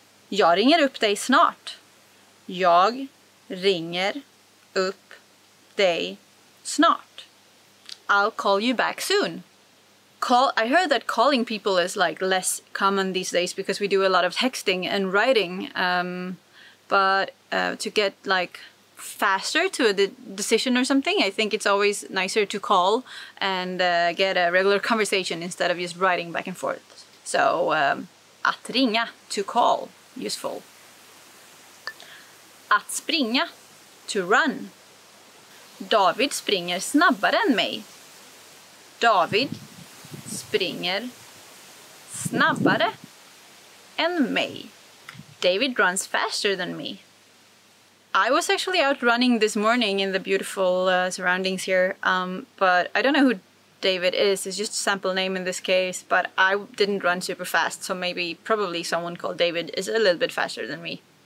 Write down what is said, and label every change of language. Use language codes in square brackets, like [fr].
[sv] Jag ringer upp dig snart. Jag ringer upp dig snart. [en] I'll call you back soon. I heard that calling people is like less common these days because we do a lot of texting and writing. But to get like faster to a decision or something, I think it's always nicer to call and get a regular conversation instead of just writing back and forth. So, [sv] att ringa, [en] to call, useful. [sv] Att springa, [en] to run. [sv] David springer snabbare än mig. David springer snabbare än mig. [en] David runs faster than me. I was actually out running this morning in the beautiful surroundings here, but I don't know who David is. It's just a sample name in this case, but I didn't run super fast, so maybe probably someone called David is a little bit faster than me.